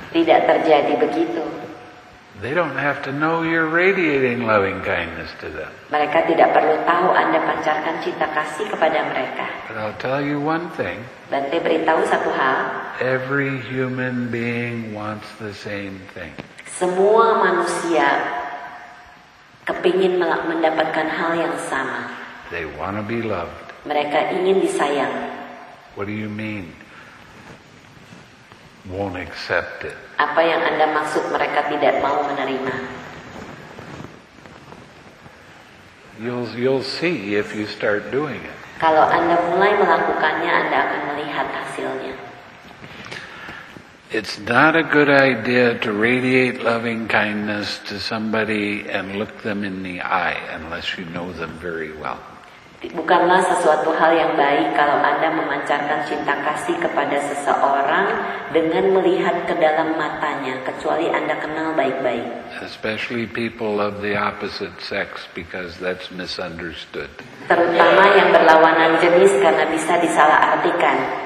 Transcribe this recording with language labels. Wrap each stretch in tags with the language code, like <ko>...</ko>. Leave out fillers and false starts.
<id>Tidak terjadi begitu.</id> <en>They don't have to know you're radiating loving kindness to them.</en> <id>Mereka tidak perlu tahu Anda pancarkan cinta kasih kepada mereka.</id> <en>But I'll tell you one thing.</en> <id>Dan saya beritahu satu hal.</id> <en>Every human being wants the same thing.</en> <id>Semua manusia kepingin mendapatkan hal yang sama.</id> <en>They want to be loved.</en> <id>Mereka ingin disayang.</id> <en>What do you mean? Won't accept it.</en> <id>Apa yang Anda maksud mereka tidak mau menerima?</id> <en>You'll see if you start doing it.</en> <id>Kalau Anda mulai melakukannya, Anda akan melihat hasilnya.</id> <en>It's not a good idea to radiate loving kindness to somebody and look them in the eye unless you know them very well.</en> <id>Bukanlah sesuatu hal yang baik kalau Anda memancarkan cinta kasih kepada seseorang dengan melihat ke dalam matanya, kecuali Anda kenal baik-baik.</id> <en>Especially people of the opposite sex, because that's misunderstood.</en> <id>Terutama yang berlawanan jenis, karena bisa disalahartikan.</id>